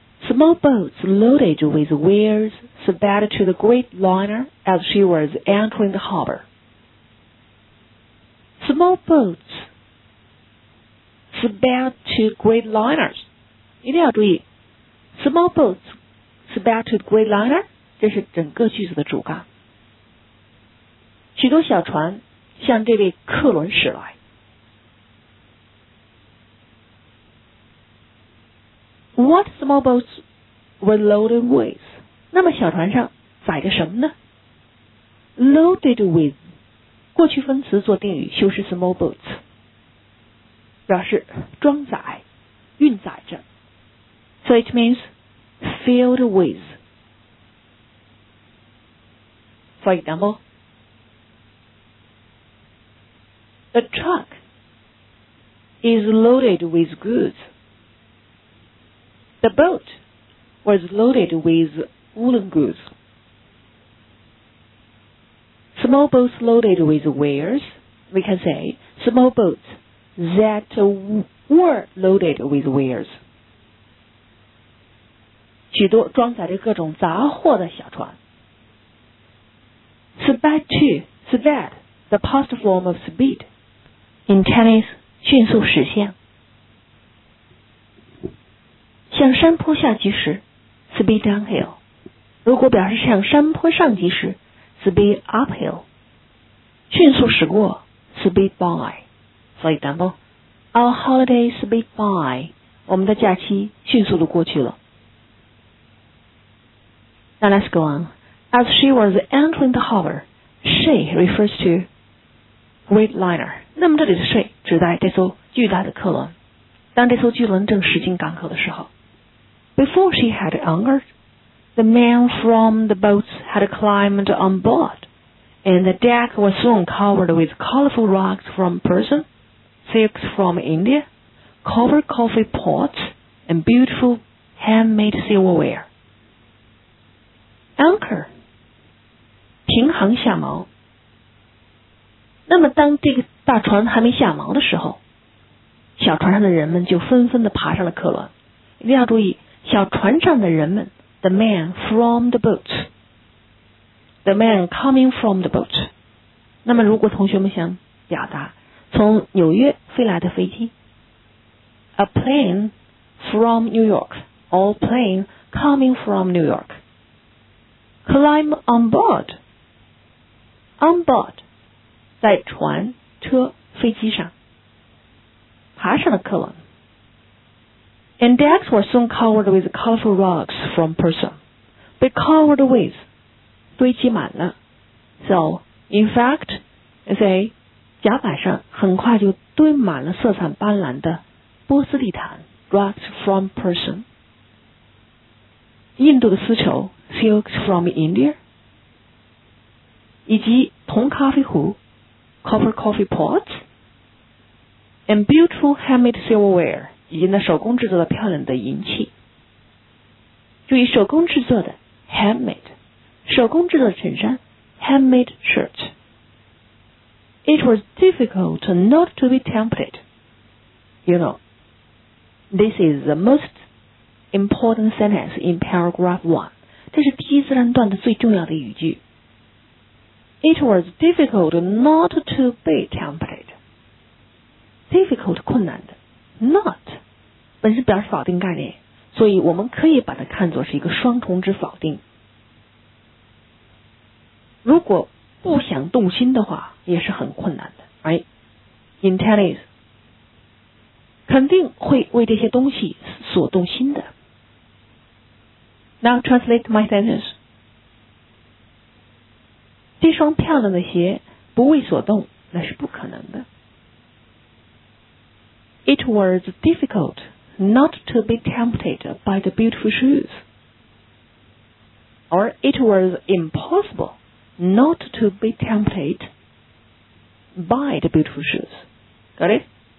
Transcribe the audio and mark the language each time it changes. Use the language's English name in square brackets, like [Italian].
[English] Small boats loaded with wares sped to the great liner as she was anchoring the harbor. Small boats sped to great liners. [Chinese] 一定要注意 [English] Small boats sped to great liner. [Chinese] 这是整个句子的主干。许多小船向这位客轮驶来。 [English] What small boats were loaded with? [Chinese] 那么小船上载着什么呢? [English] Loaded with. [Chinese] 过去分词做定语修饰 [English] small boats [Chinese] 表示装载运载着 [English] So it means filled with For example The truck is loaded with goods The boat was loaded with woolen goodsSmall boats loaded with wares. We can say small boats that were loaded with wares. [Chinese] 许多装载着各种杂货的小船。 [English] Sped to, sped, the past form of speed. In Chinese, [Chinese] 迅速驶向。向山坡下疾驶 [English] speed downhill. [Chinese] 如果表示向山坡上疾驶 [English] speed uphill. [Chinese] 迅速驶过 speed by. [English] For example, our holiday speed by. [Chinese] 我们的假期迅速地过去了。 [English] Now let's go on. As she was entering the harbor, she refers to great liner. [Chinese] 那么这里的 [English] she [Chinese] 指代这艘巨大的客轮。当这艘巨轮正驶进港口的时候。 [English] Before she had anchored, the men from the boats had climbed on board. And the deck was soon covered with colorful rugs from Persia, silks from India, copper coffee pots, and beautiful handmade silverware. [Chinese] Anchor, 平航下锚。那么当这个大船还没下锚的时候，小船上的人们就纷纷地爬上了客轮。一定要注意，小船上的人们 , [English] the men from the boats, The man coming from the boat. [Chinese] 那么如果同学们想表达从纽约飞来的飞机 [English] A plane from New York or plane coming from New York. Climb on board. On board. [Chinese] 在船车飞机上爬上了客轮 [English] And decks were soon covered with colorful rugs from Persia. Be covered with. [Chinese] 堆积满了 [English] So, in fact, I say [Chinese] 甲板上很快就堆满了色彩斑斓的波斯地毯 [English] Rugs from Persia [Chinese] 印度的丝绸 [English] Silks from India [Chinese] 以及铜咖啡壶 [English] Copper coffee pots and beautiful handmade silverware, [Chinese] 以及那手工制作的漂亮的银器。注意手工制作的 handmade, 手工制作的衬衫 [English] handmade shirt. It was difficult not to be tempted. You know, this is the most important sentence in paragraph 1, [Chinese] 这是第一自然段的最重要的语句。 [English] It was difficult not to be tempted. [Chinese] Difficult, 困难的。Not, 本身表示否定概念，所以我们可以把它看作是一个双重之否定。如果不想动心的话，也是很困难的。 [English] Right? [Chinese] Intelligence, 肯定会为这些东西所动心的。 [English] Now translate my sentence. [Chinese] 这双漂亮的鞋不为所动，那是不可能的。 [English] It was difficult not to be tempted by the beautiful shoes. Or it was impossible not to be tempted by the beautiful shoes. Got it?